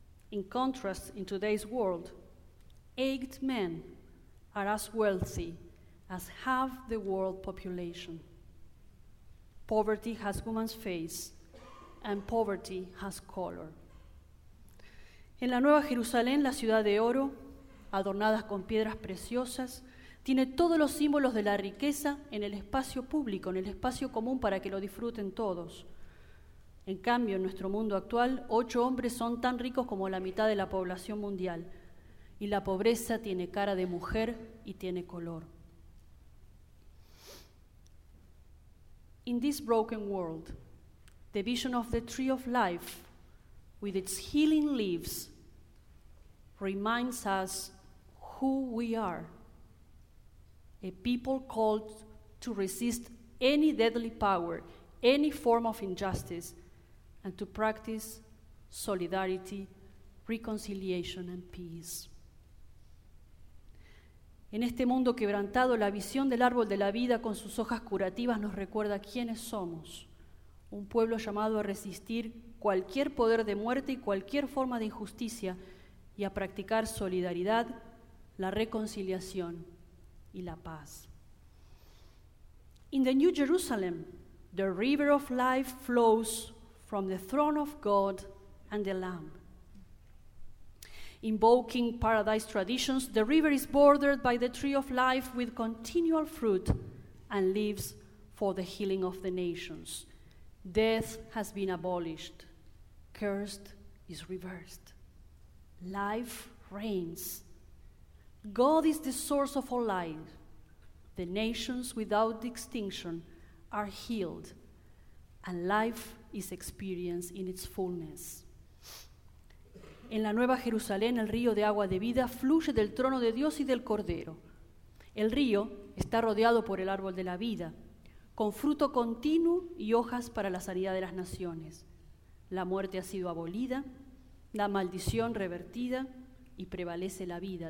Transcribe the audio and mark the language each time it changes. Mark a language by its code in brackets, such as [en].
[en] In contrast, in today's world, eight men are as wealthy as half the world population. Poverty has woman's face, and poverty has color. [es] En la Nueva Jerusalén, la ciudad de oro, adornada con piedras preciosas, tiene todos los símbolos de la riqueza en el espacio público, en el espacio común para que lo disfruten todos. En cambio, en nuestro mundo actual, 8 hombres son tan ricos como la mitad de la población mundial, y la pobreza tiene cara de mujer y tiene color. [en] In this broken world, the vision of the tree of life with its healing leaves reminds us who we are, a people called to resist any deadly power, any form of injustice, and to practice solidarity, reconciliation, and peace. [es] En este mundo quebrantado, la visión del árbol de la vida con sus hojas curativas nos recuerda quiénes somos, un pueblo llamado a resistir cualquier poder de muerte y cualquier forma de injusticia, y a practicar solidaridad, la reconciliación y la paz. [en] In the New Jerusalem, the river of life flows from the throne of God and the Lamb. Invoking paradise traditions, the river is bordered by the tree of life with continual fruit and leaves for the healing of the nations. Death has been abolished. Cursed is reversed. Life reigns. God is the source of all life. The nations without distinction are healed, and life is experienced in its fullness. [es] En la Nueva Jerusalén, el río de agua de vida fluye del trono de Dios y del Cordero. El río está rodeado por el árbol de la vida, con fruto continuo y hojas para la sanidad de las naciones. La muerte ha sido abolida, la maldición revertida y prevalece la vida.